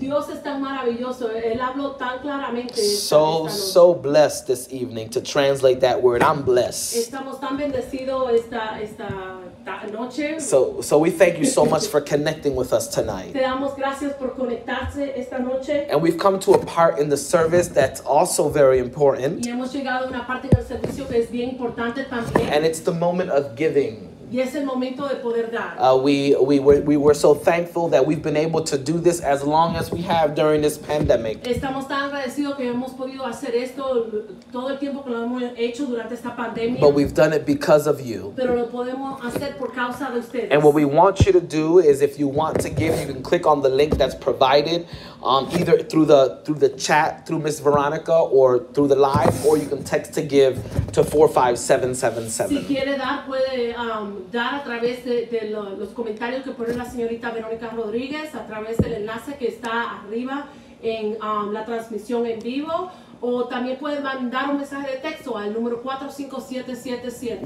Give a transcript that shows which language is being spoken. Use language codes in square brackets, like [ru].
[en] So blessed this evening to translate that word. I'm blessed. So we thank you so much for connecting with us tonight. [es] Te damos gracias por conectarse esta noche. [en] And we've come to a part in the service that's also very important. [es] Y hemos llegado a una parte del servicio que es bien importante también. [en] And it's the moment of giving. [es] Y es el momento de poder dar. [en] We were so thankful that we've been able to do this as long as we have during this pandemic. [es] Estamos tan agradecidos que hemos podido hacer esto todo el tiempo que lo hemos hecho durante esta pandemia. [en] But we've done it because of you. [es] Pero lo podemos hacer por causa de ustedes. [en] And what we want you to do is, if you want to give, you can click on the link that's provided. Either through the chat, through Miss Veronica, or through the live, or you can text to give to 45777. [es] Si quiere dar, puede dar a través de los comentarios que pone la señorita Verónica Rodríguez, a través del enlace que está arriba en la transmisión en vivo. O también puedes mandar un mensaje de texto al número 45777.